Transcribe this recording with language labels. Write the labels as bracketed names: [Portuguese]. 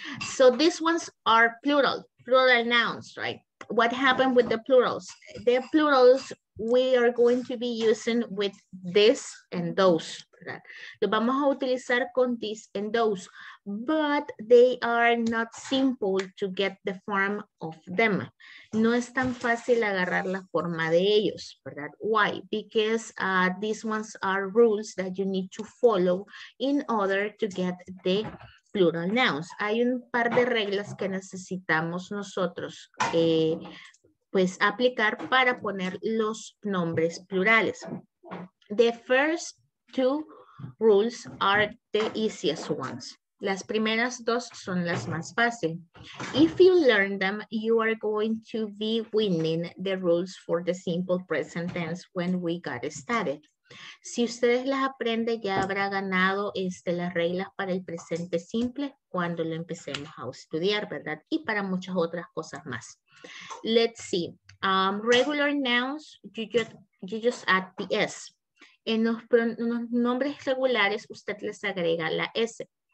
[English] So these ones are plural, plural nouns, right? What happened with the plurals? The plurals we are going to be using with this and those. Right? [Spanish] Lo vamos a utilizar con [English] this and those, but they are not simple to get the form of them. [Spanish] No es tan fácil agarrar la forma de ellos, ¿verdad? [English] Why? Because these ones are rules that you need to follow in order to get the plural nouns. [Spanish] Hay un par de reglas que necesitamos nosotros pues aplicar para poner los nombres plurales. [English] The first two rules are the easiest ones. [Spanish] Las primeras dos son las más fáciles. [English] If you learn them, you are going to be winning the rules for the simple present tense when we got started. [Spanish] Si ustedes las aprenden, ya habrá ganado las reglas para el presente simple cuando lo empecemos a estudiar, ¿verdad? Y para muchas otras cosas más. [English] Let's see. Regular nouns, you just add the S. [Spanish] En los nombres regulares, usted les agrega la S.